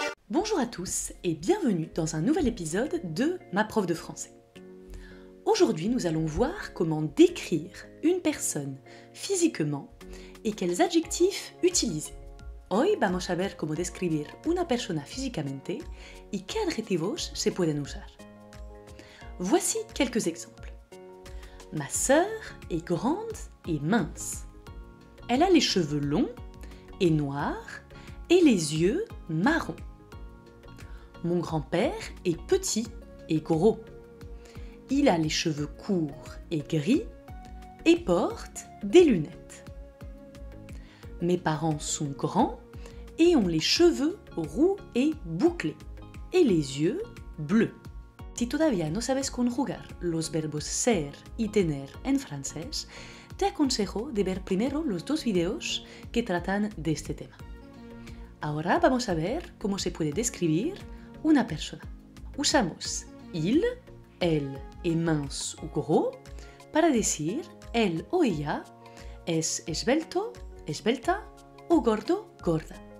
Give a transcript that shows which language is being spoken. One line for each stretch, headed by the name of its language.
French: Bonjour à tous et bienvenue dans un nouvel épisode de Ma prof de français. Aujourd'hui, nous allons voir comment décrire une personne physiquement et quels adjectifs utiliser.
Spanish: Hoy vamos a ver cómo describir una persona físicamente y qué adjetivos se pueden usar.
French: Voici quelques exemples. Ma sœur est grande et mince. Elle a les cheveux longs et noirs et les yeux marrons. Mon grand-père est petit et gros. Il a les cheveux courts et gris et porte des lunettes. Mes parents sont grands et ont les cheveux roux et bouclés et les yeux bleus.
Spanish: Si todavía no sabes conjugar los verbos ser y tener en francés, te aconsejo de ver primero los dos videos que tratan de este tema. Ahora vamos a ver cómo se puede describir una persona. Usamos
French: il, elle est mince ou gros
Spanish: para decir elle o ella es esbelto, esbelta o gordo, gorda.